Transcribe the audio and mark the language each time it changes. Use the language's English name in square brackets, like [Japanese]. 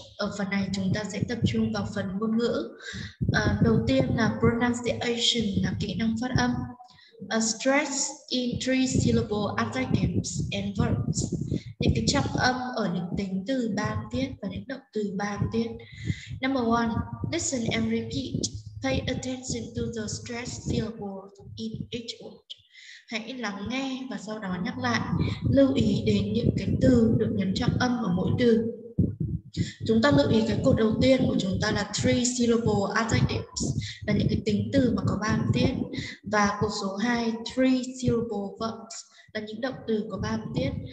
[Vietnamese] Ở phần này chúng ta sẽ tập trung vào phần ngôn ngữ. Đầu tiên là pronunciation, là kỹ năng phát âm. [English] Stress in three syllable adjectives and verbs. [Vietnamese] Những cái trọng âm ở những tính từ ban tiết và những động từ ban tiết. [English] Number one, listen and repeat. Pay attention to the stress syllable in each word. [Vietnamese] Hãy lắng nghe và sau đó nhắc lại. Lưu ý đến những cái từ được nhấn trọng âm ở mỗi từ. Chúng ta lưu ý cái cột đầu tiên của chúng ta là [English] three syllable adjectives, [Vietnamese] là những cái tính từ mà có ba âm tiết. Và cột số 2, [English] three syllable verbs, [Vietnamese] là những động từ có ba âm tiết.